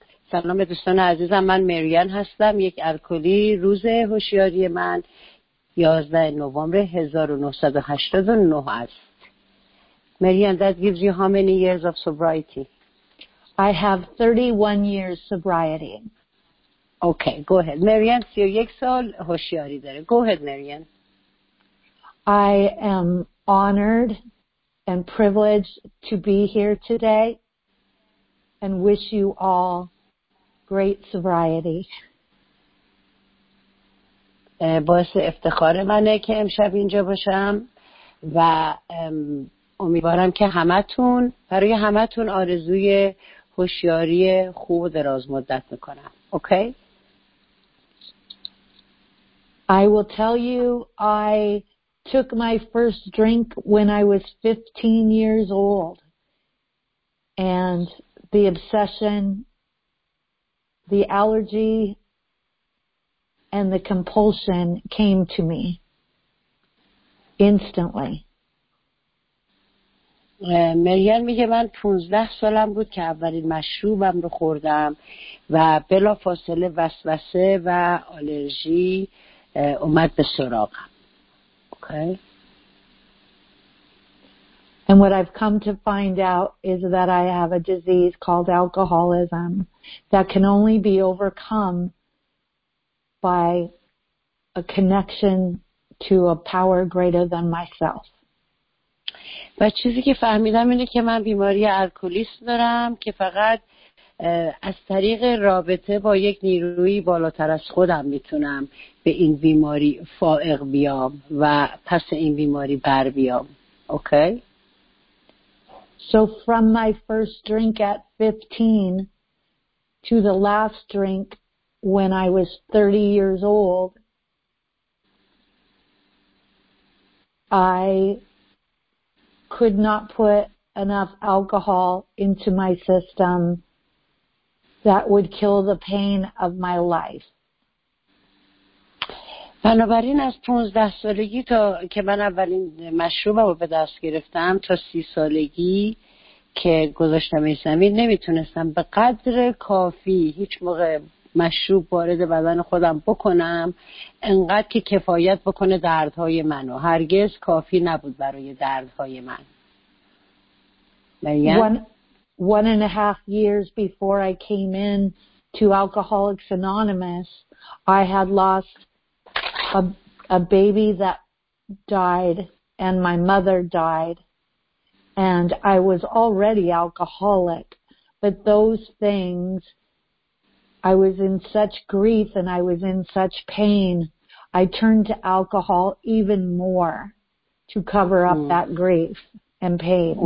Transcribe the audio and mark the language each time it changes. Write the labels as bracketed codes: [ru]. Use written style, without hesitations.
[fa] سلام دوستان عزیزم، من ماریان هستم، یک الکلی. روز هوشیاری من 11 نوامبر 1989 است. [en] Marianne, that gives you how many years of sobriety? I have 31 years sobriety. Okay, go ahead. Marianne, [fa] 31 سال هوشیاری داره. [en] Go ahead, Marianne. I am honored and privileged to be here today and wish you all great sobriety. [fa] باعث افتخار منه که امشب اینجا باشم و امیدوارم که همتون برای همتون آرزوی هوشیاری خوب و دراز مدت میکنم. [en] Okay? I will tell you I took my first drink when I was 15 years old and the obsession, the allergy and the compulsion came to me instantly. [fa] مریان میگه من 15 سالم بود که اولین مشروبم رو خوردم و بلا فاصله وسوسه و آلرژی اومد به سراغم. [en] Okay. And what I've come to find out is that I have a disease called alcoholism that can only be overcome by a connection to a power greater than myself. [fa] و چیزی که فهمیدم اینه که من بیماری الکلیسم دارم که فقط از طریق رابطه با یک نیروی بالاتر از خودم میتونم به این بیماری فائق بیام و پس این بیماری بر بیام. [en] Okay? So from my first drink at 15 to the last drink when I was 30 years old I could not put enough alcohol into my system that would kill the pain of my life. [fa] بنابراین از 15 سالگی تا که من اولین مشروبمو به دست گرفتم تا 30 سالگی که گذاشتم این زمین نمیتونستم به قدر کافی هیچ موقع مشروب وارد بدن خودم بکنم انقدر که کفایت بکنه دردهای منو هرگز کافی نبود برای دردهای من. [en] One and a half years before I came in to Alcoholics Anonymous, I had lost a baby that died and my mother died. And I was already alcoholic, but those things, I was in such grief and I was in such pain, I turned to alcohol even more to cover up that grief and pain.